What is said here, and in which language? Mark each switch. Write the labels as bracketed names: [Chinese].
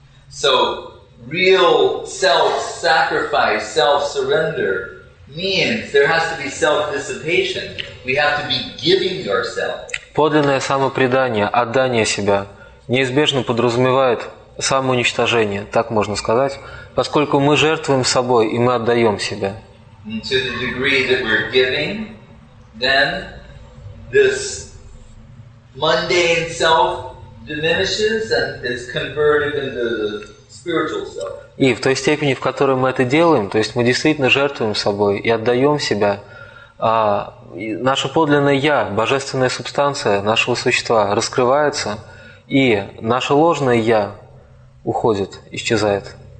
[English] So, real self-sacrifice, self-surrender means there has to be self-dissipation. We have to be giving ourselves. [Russian] Подлинное самопредание, отдание себя, неизбежно подразумевает самоуничтожение, так можно сказать, поскольку мы жертвуем собой и мы отдаем себя. [English] And to the degree that we're giving, then this mundane self diminishes and is converted into the spiritual self. [Russian] И в той степени, в которой мы это делаем, то есть мы действительно жертвуем собой и отдаем себя, наше подлинное «я», божественная субстанция нашего существа раскрывается, и наше ложное «я» уходит, исчезает.